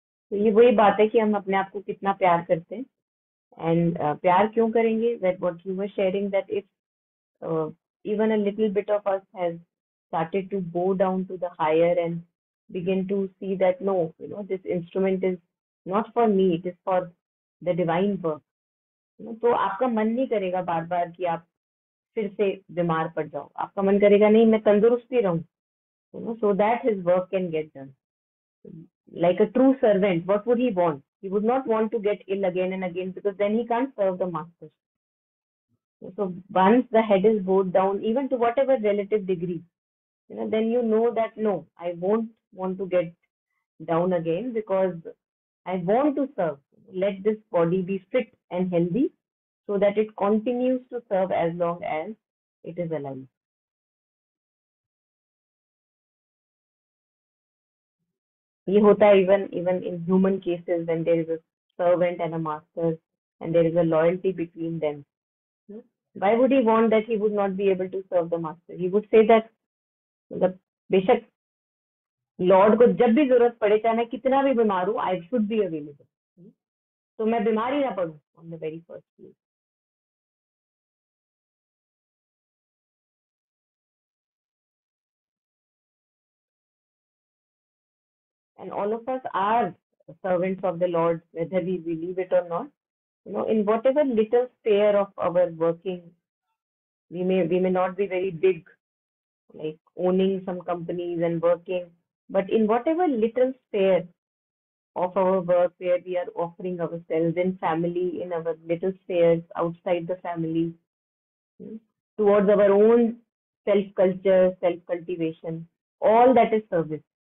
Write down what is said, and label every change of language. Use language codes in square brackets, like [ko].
[hi] तो ये वही बात है कि हम अपने आप को कितना प्यार करते हैं एंड प्यार क्यों करेंगे [en] that what you were sharing that if even a little bit of us has started to go down to the higher and begin to see that no you know this instrument is not for me it is for the divine work [hi] तो आपका मन नहीं करेगा बार बार कि आप फिर से बीमार पड़ जाओ आपका मन करेगा नहीं मैं तंदुरुस्त ही रहूँ [en] You know so that his work can get done Like a true servant, what would he want? He would not want to get ill again and again because then he can't serve the master. So once the head is bowed down, even to whatever relative degree, you know, then you know that, no, I won't want to get down again because I want to serve. Let this body be fit and healthy so that it continues to serve as long as it is alive. [hi] ये होता है [en] even even in human cases when there is a servant and a master and there is a loyalty between them why would he want that he would not be able to serve the master he would say that [hi] मतलब बेशक Lord को जब भी जरूरत पड़े चाहे मैं कितना भी बीमार हूँ [en] I should be available [hi] तो मैं बीमार ही ना पड़ू [en] On the very first place And all of us are servants of the Lord, whether we believe it or not. You know, in whatever little sphere of our working, we may not be very big, like owning some companies and working. But in whatever little sphere of our work where we are offering ourselves in family, in our little spheres outside the family, towards our own self-culture, self-cultivation, all that is service.